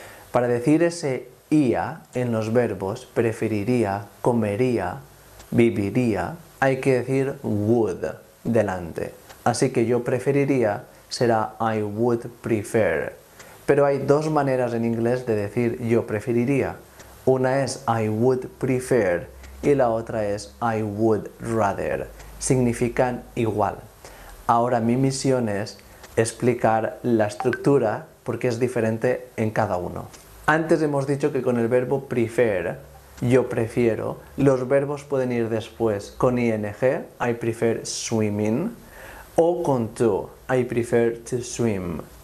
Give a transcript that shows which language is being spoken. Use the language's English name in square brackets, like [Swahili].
[Spanish] Para decir ese ia en los verbos, preferiría, comería, viviría, hay que decir would delante. Así que yo preferiría será [English] I would prefer. [Spanish] Pero hay dos maneras en inglés de decir yo preferiría. Una es [English] I would prefer [Spanish] y la otra es [English] I would rather. [Spanish] Significan igual. Ahora mi misión es explicar la estructura porque es diferente en cada uno. Antes hemos dicho que con el verbo prefer, yo prefiero, los verbos pueden ir después con ing, [English] I prefer swimming, [Spanish] o con to, [English] I prefer to swim.